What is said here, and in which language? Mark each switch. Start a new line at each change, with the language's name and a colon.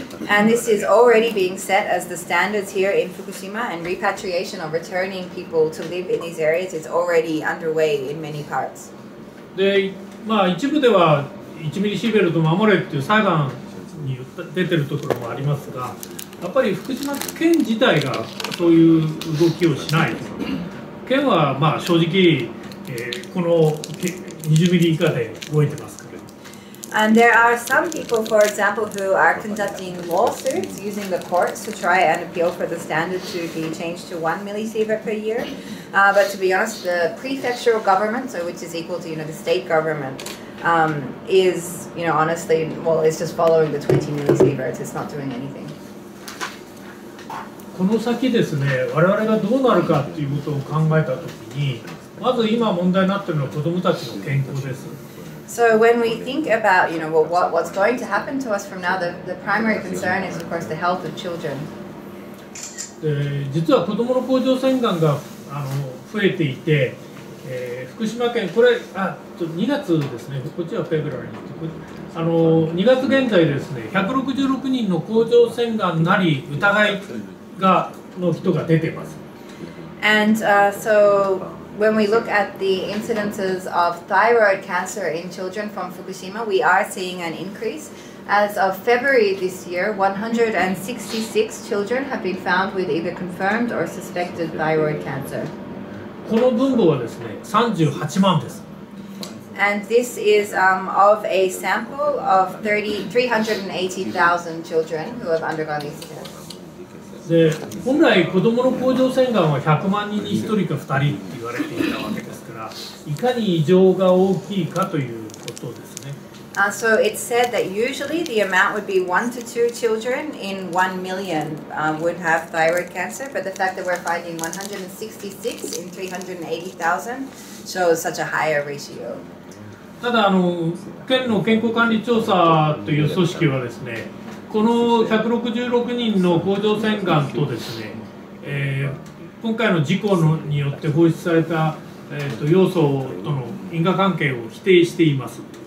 English: And this is already being set as the standards here in Fukushima, and repatriation or returning people to live in these areas is already underway in many parts.
Japanese: で、まあ一部では1ミリシーベルト守れっていう裁判に出てるところもありますが、やっぱり福島県自体がそういう動きをしない。県はまあ正直、この20ミリ以下で動いてます。
English: And there are some people, for example, who are conducting lawsuits using the courts to try and appeal for the standard to be changed to 1 millisievert per year. But to be honest, the prefectural government, so which is equal to, you know, the state government, is, you know, honestly, well, it's just following the 20 millisieverts. It's not doing anything.
Japanese: この先ですね、我々がどうなるかということを考えたときに、まず今問題になっているのは子どもたちの健康です。
English: So when we think about, you know, well, what's going to happen to us from now, the primary concern is, of course, the health of children.
Japanese: 実は子どもの甲状腺がんが増えていて、福島県、これ、2月ですね、こっちはフェブラリー、2月現在ですね、166人の甲状腺がんなり疑いがの人が出ています。
English: And, so... When we look at the incidences of thyroid cancer in children from Fukushima, we are seeing an increase. As of February this year, 166 children have been found with either confirmed or suspected thyroid cancer.
Japanese: この分母はですね、38万です。
English: And this is of a sample of 380,000 children who have undergone these tests.
Japanese: で本来子どもの甲状腺がんは100万人に1人か2人って言われていたわけですからいかに異常が大きいかということですね。
English: So it's said that usually the amount would be 1 to 2 children in 1 million would have thyroid cancer, but the fact that we're finding 166 in 380,000 shows such a higher ratio.
Japanese: ただ県の健康管理調査という組織はですねこの166人の甲状腺がんとですね、今回の事故のによって放出された、要素との因果関係を否定しています。